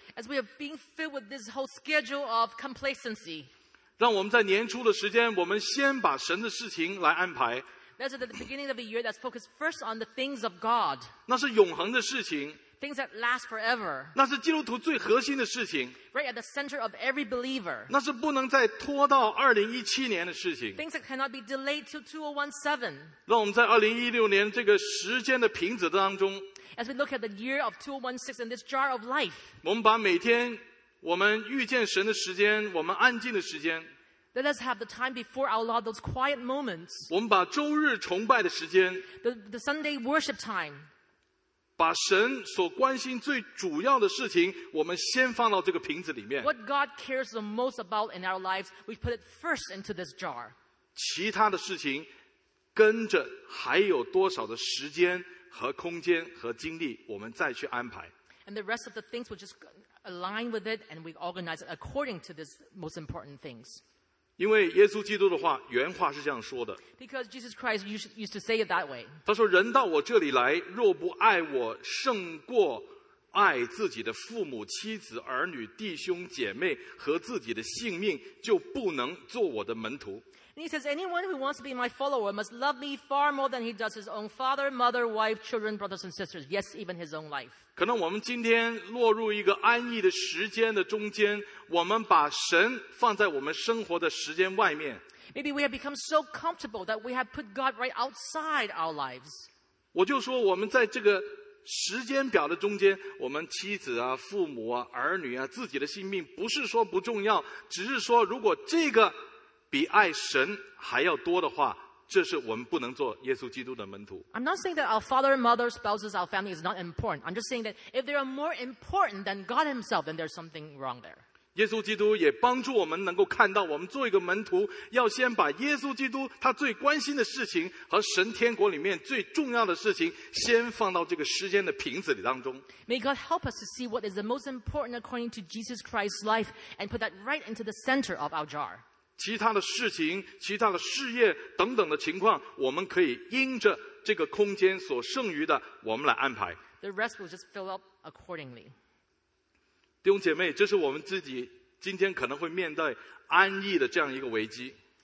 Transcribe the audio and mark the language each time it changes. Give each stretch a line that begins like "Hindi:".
English: As we have been filled with this whole schedule of complacency,
Chinese: 让我们在年初的时间，我们先把神的事情来安排。
English: That's at the beginning of the year. That's focused first on the things of God.
Chinese: 那是永恒的事情。
English: Things that last forever.
Chinese: 那是基督徒最核心的事情。
English: Right at the center of every believer.
Chinese: 那是不能再拖到2017年的事情。
English: Things that cannot be delayed till 2017.
Chinese: 让我们在2016年这个时间的瓶子当中。
English: As we look at the year of 2016 in this jar of life.
Chinese: 我们把每天我们遇见神的时间，我们安静的时间。
English: Let us have the time before our Lord, those quiet moments.
Chinese: 我们把周日崇拜的时间。
English: The Sunday worship time.
Chinese: 把神所关心最主要的事情，我们先放到这个瓶子里面。
English: What God cares the most about in our lives, we put it first into this jar.
Chinese: 其他的事情，跟着还有多少的时间和空间和精力，我们再去安排。
English: And the rest of the things will just align with it, and we organize it according to these most important things.
Chinese: 因为耶稣基督的话，原话是这样说的。
English: Because Jesus Christ used to say it that way.
Chinese: 他说：“人到我这里来，若不爱我，胜过爱自己的父母、妻子、儿女、弟兄、姐妹和自己的性命，就不能做我的门徒。”
English: And he says, "Anyone who wants to be my follower must love me far more than he does his own father, mother, wife, children, brothers and sisters. Yes, even his own life."
Chinese: 可能我们今天落入一个安逸的时间的中间，我们把神放在我们生活的时间外面。
English: Maybe we have become so comfortable that we have put God right outside our lives.
Chinese: 我就说我们在这个时间表的中间，我们妻子啊、父母啊、儿女啊、自己的性命，不是说不重要，只是说如果这个比爱神还要多的话，这是我们不能做耶稣基督的门徒。
English: I'm not saying that our father, mother, spouses, our family is not important. I'm just saying that if they are more important than God himself, then there's something wrong there.
Chinese: 耶稣基督也帮助我们能够看到，我们做一个门徒要先把耶稣基督他最关心的事情和神天国里面最重要的事情先放到这个时间的瓶子里当中。
English: May God help us to see what is the most important according to Jesus Christ's life and put that right into the center of our jar.
Chinese: 其他的事情，其他的事业等等的情况，我们可以因着这个空间所剩余的我们来安排。
English: The rest will just fill up accordingly.
Chinese: 弟兄姐妹，这是我们自己今天可能会面对安逸的这样一个危机。